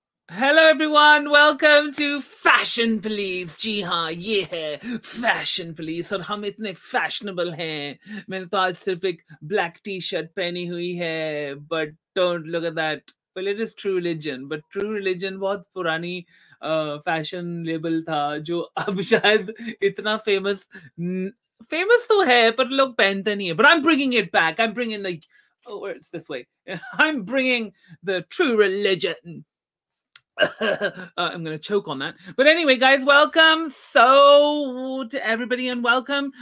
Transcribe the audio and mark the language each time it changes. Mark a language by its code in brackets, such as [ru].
[en] Hello everyone, welcome to Fashion Police. [hi] जी हाँ, ये है Fashion Police और हम इतने fashionable हैं. मैंने तो आज सिर्फ एक black t-shirt पहनी हुई है, [en] but don't look at that. Well, it is True Religion, but [hi] True Religion बहुत पुरानी fashion label था जो अब शायद इतना famous तो है पर लोग पहनते नहीं है. [en] But I'm bringing it back. I'm bringing the True Religion. I'm gonna choke on that. But anyway, guys, welcome so to everybody and welcome.